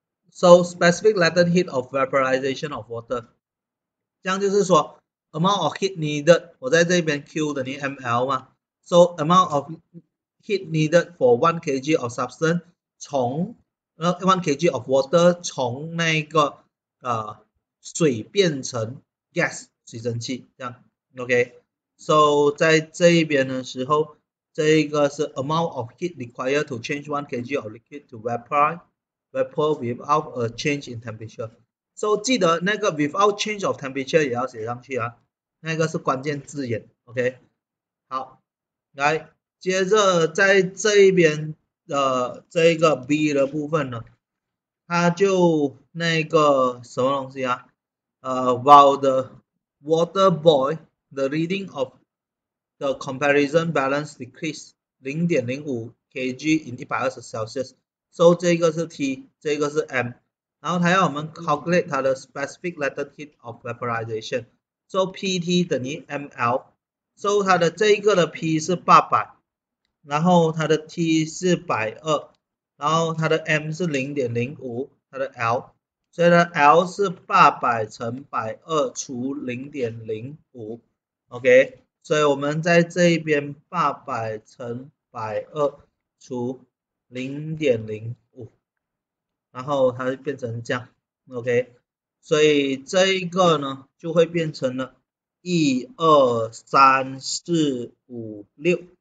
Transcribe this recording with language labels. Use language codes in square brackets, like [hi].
[en] So specific latent heat of vaporization of water， [zh] 这样就是说 [en] amount of heat needed， [zh] 我在这边 [en] Q 等于 mL 嘛，so amount of heat needed for 1 kg of substance [zh] 从1 kg of water 从那个水变成 [en] gas [zh] 水蒸气这样， [en] OK，so [zh] 在这一边的时候，这一个是 [en] amount of heat required to change 1 kg of liquid to vapor without a change in temperature。 [zh] so 记得那个 [en] without change of temperature [zh] 也要写上去啊，那个是关键字眼，OK，好，来接着在这一边。这一个 B 的部分呢，它就那个什么东西啊？ [en] While the water boil, the reading of the comparison balance decrease 0.05 kg in 120 Celsius。 [zh] So 这个是 T，这个是 M，然后它要我们 calculate 它的 specific latent heat of vaporization。 So PT 等于 mL。 So 它的这一个的 P 是800。然后它的 T 是120，然后它的 M 是0.05，它的 L，所以呢 L 是800乘120除0.05，OK，所以我们在这一边800乘120除0.05，然后它就变成这样，OK，所以这一个呢就会变成了一二三四五六。